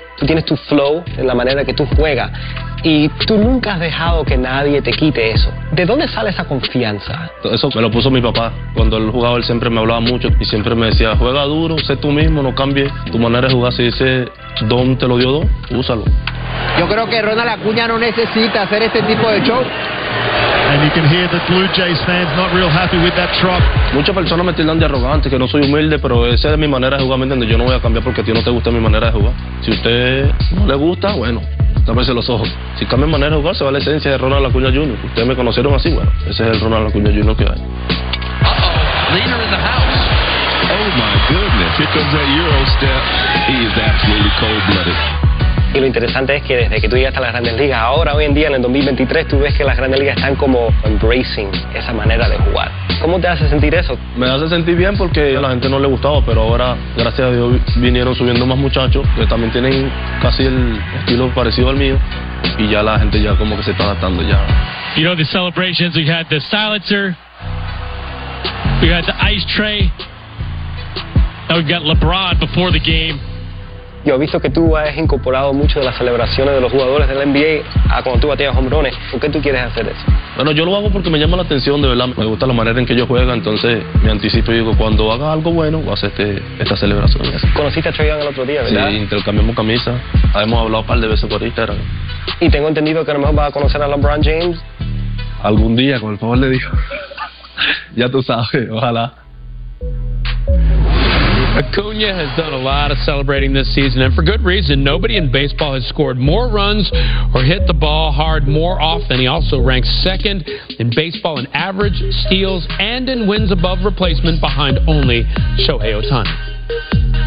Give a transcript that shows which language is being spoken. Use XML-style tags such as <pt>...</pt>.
<es>Tú tienes tu flow en la manera que tú juegas y tú nunca has dejado que nadie te quite eso. ¿De dónde sale esa confianza? Eso me lo puso mi papá. Cuando él jugaba, él siempre me hablaba mucho y siempre me decía, juega duro, sé tú mismo, no cambie tu manera de jugar. Si ese don te lo dio don, úsalo. Yo creo que Ronald Acuña no necesita hacer este tipo de show.</es> <en>And you can hear the Blue Jays fans not real happy with that truck.</en> <es>Muchas personas me tildan de arrogante, que no soy humilde, pero esa es mi manera de jugar, ¿me entiendes? Yo no voy a cambiar porque a ti no te gusta mi manera de jugar. Si a usted no le gusta, bueno, tápese los ojos. Si cambia manera de jugar, se va la esencia de Ronald Acuña Jr. Ustedes me conocieron así, bueno, ese es el Ronald Acuña Jr. que hay.</es> <en>Uh-oh, leader in the house. Oh my goodness, here comes that Euro step. He is absolutely cold-blooded.</en> <es>Y lo interesante es que desde que tú llegaste a las Grandes Ligas, ahora, hoy en día, en el 2023, tú ves que las Grandes Ligas están como embracing esa manera de jugar. ¿Cómo te hace sentir eso? Me hace sentir bien porque a la gente no le gustaba, pero ahora, gracias a Dios, vinieron subiendo más muchachos que también tienen casi el estilo parecido al mío y ya la gente ya como que se está adaptando ya.</es> <en>You know the celebrations, we had the silencer, we had the ice tray, now we've got LeBron before the game.</en> <es>Yo he visto que tú has incorporado mucho de las celebraciones de los jugadores de la NBA a cuando tú bateas hombrones. ¿Por qué tú quieres hacer eso? Bueno, yo lo hago porque me llama la atención, de verdad. Me gusta la manera en que ellos juegan, entonces me anticipo y digo, cuando haga algo bueno, voy a hacer esta celebración. Conociste a Trae Young el otro día, ¿verdad? Sí, intercambiamos camisa. Hemos hablado un par de veces por Instagram. Y tengo entendido que a lo mejor vas a conocer a LeBron James. Algún día, con el favor de Dios. Ya tú sabes, ojalá.</es> <en>Acuña has done a lot of celebrating this season, and for good reason. Nobody in baseball has scored more runs or hit the ball hard more often. He also ranks second in baseball in average, steals, and in wins above replacement, behind only Shohei Ohtani.</en>